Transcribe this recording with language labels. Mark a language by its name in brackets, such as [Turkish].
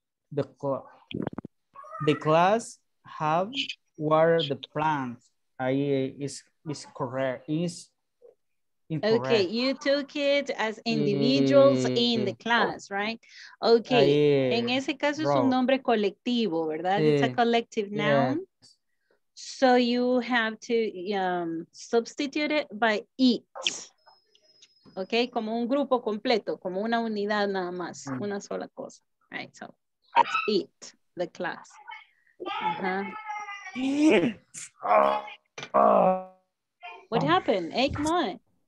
[English] The class have watered the plants. Is correct. Is incorrect. Okay, you took it as individuals in the class, right? [Spanish] Okay, en ese caso es un nombre colectivo, ¿verdad? [English] It's a collective noun. Yeah. So you have to substitute it by it. [Spanish] Okay, como un grupo completo, como una unidad nada más, una sola cosa. [English] Right, so it's it, the class. What happened? Hey, come on.